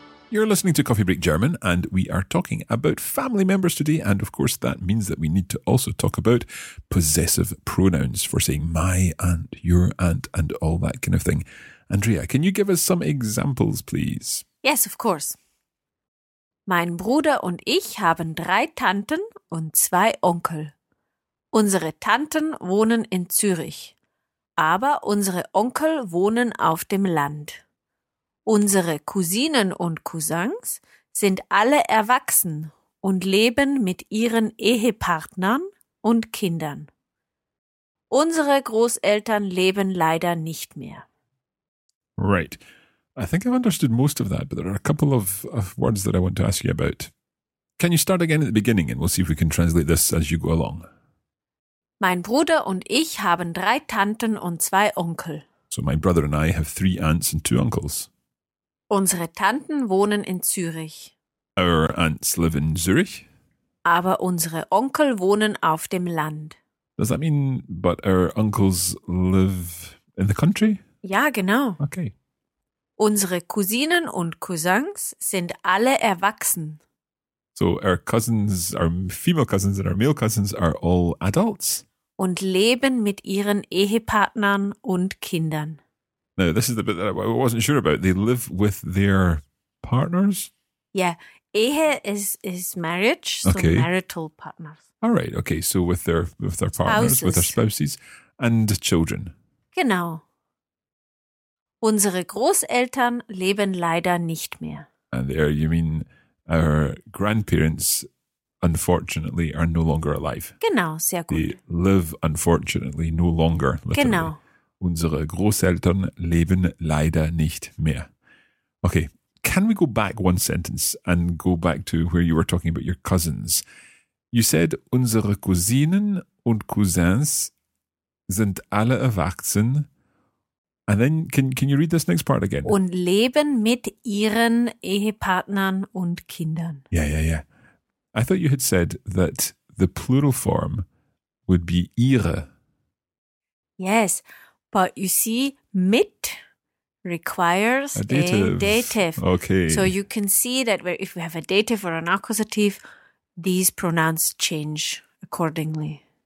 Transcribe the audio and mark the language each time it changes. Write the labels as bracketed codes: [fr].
[en] You're listening to Coffee Break German, and we are talking about family members today. And of course, that means that we need to also talk about possessive pronouns for saying my aunt, your aunt, and all that kind of thing. Andrea, can you give us some examples, please? Yes, of course. [de] Mein Bruder und ich haben 3 Tanten und 2 Onkel. Unsere Tanten wohnen in Zürich, aber unsere Onkel wohnen auf dem Land. Unsere Cousinen und Cousins sind alle erwachsen und leben mit ihren Ehepartnern und Kindern. Unsere Großeltern leben leider nicht mehr. [en] Right. I think I've understood most of that, but there are a couple of words that I want to ask you about. Can you start again at the beginning and we'll see if we can translate this as you go along? [de] Mein Bruder und ich haben 3 Tanten und 2 Onkel. [en] So my brother and I have 3 aunts and 2 uncles. [de] Unsere Tanten wohnen in Zürich. [en] Our aunts live in Zürich. [de] Aber unsere Onkel wohnen auf dem Land. [en] Does that mean, but our uncles live in the country? [de] Ja, genau. [en] Okay. [de] Unsere Cousinen und Cousins sind alle erwachsen. [en] So our cousins, our female cousins and our male cousins are all adults. [de] Und leben mit ihren Ehepartnern und Kindern. [en] No, this is the bit that I wasn't sure about. They live with their partners? Yeah. Ehe is marriage, so okay. Marital partners. All right, okay, so with their partners, spouses. With their spouses and children. [de] Genau. Unsere Großeltern leben leider nicht mehr. [en] And there you mean our grandparents, unfortunately, are no longer alive. [de] Genau, sehr gut. [en] They live, unfortunately, no longer. Literally. [de] Genau. Unsere Großeltern leben leider nicht mehr. [en] Okay, can we go back one sentence and go back to where you were talking about your cousins? You said, [de] unsere Cousinen und Cousins sind alle erwachsen. [en] And then, can you read this next part again? [de] Und leben mit ihren Ehepartnern und Kindern. [en] Yeah. I thought you had said that the plural form would be ihre. Yes, but you see, mit requires a dative. Okay. So you can see that if we have a dative or an accusative, these pronouns change accordingly.